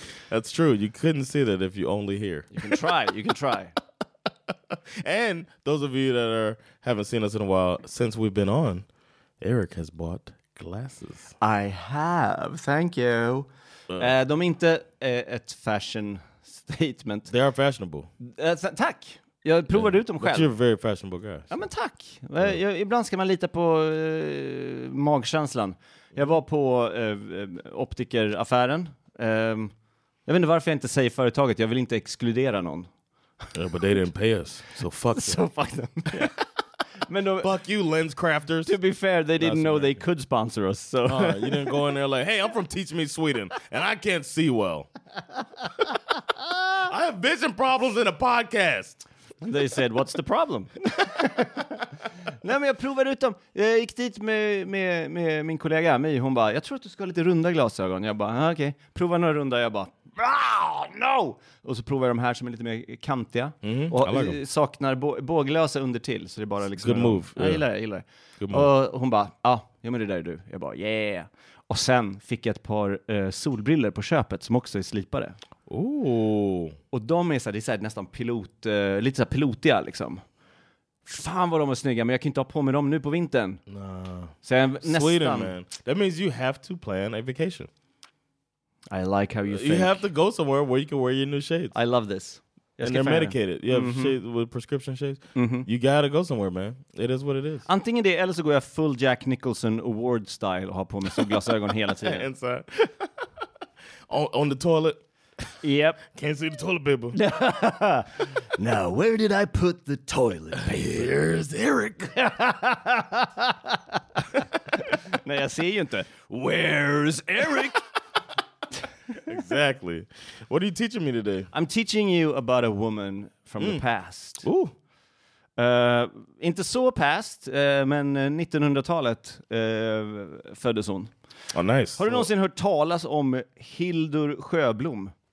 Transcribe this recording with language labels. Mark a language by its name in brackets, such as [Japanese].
[English] That's true. You couldn't see that if you only hear. You can try. You can try. And those of you that haven't seen us in a while, since we've been on, Eric has bought glasses. I have. Thank you. [Swedish] De är inte ett [English] fashion statement. They are fashionable. [Swedish] Tack! Jag provade ut dem själv. [English] But you're a very fashionable guy. [Swedish] Ja, men tack! Ibland ska man lita på magkänslan. Jag var på optikeraffären. Jag vet inte varför jag inte säger företaget. Jag vill inte exkludera någon. [English] Yeah, but they didn't pay us. So fuck them. So fuck them. [Swedish] Men då, [English] fuck you, lens crafters. To be fair, they didn't know they could sponsor us. So you didn't go in there like, hey, I'm from Teach Me Sweden, and I can't see well. I have vision problems in a podcast. They said, what's the problem? [Swedish] Nej, men jag provade ut dem. Jag gick dit med min kollega Ami. Hon bara, jag tror att du ska ha lite runda glasögon. Jag bara, okej, okay. Prova några runda. Jag bara, no! Och så provar jag de här som är lite mer kantiga. Mm-hmm. Och saknar båglösa under till. Så det är bara liksom... [English] Good move. [Swedish] Ja, jag gillar det. [English] Good move. [Swedish] Och hon bara, ja, men det där är du. Jag bara, yeah. Och sen fick jag ett par solbriller på köpet som också är slipade. Oh. Och de är så här, det är så här nästan pilot, lite så här pilotiga liksom. Fan vad de är snygga, men jag kan inte ha på mig dem nu på vintern. [English] Nah. [Swedish] Så jag, nästan. [English] Sweden, man. That means you have to plan a vacation. I like how you think. You have to go somewhere where you can wear your new shades. I love this. And they're medicated. You have shades with prescription shades. Mm-hmm. You gotta go somewhere, man. It is what it is. [Swedish] Antingen det, eller så går jag full Jack Nicholson award style och har på mig solglasögon hela tiden. [English] Inside. on the toilet. Yep. Can't see the toilet paper. Now, where did I put the toilet paper? Here's Eric. [Swedish] Nej, jag ser ju inte. [English] Where's Eric? Exactly. What are you teaching me today? I'm teaching you about a woman from the past. Ooh. [Swedish] Inte så past, men 1900-talet föddes hon. [English] Oh, nice. [Swedish] Har du någonsin hört talas om Hildur Sjöblom?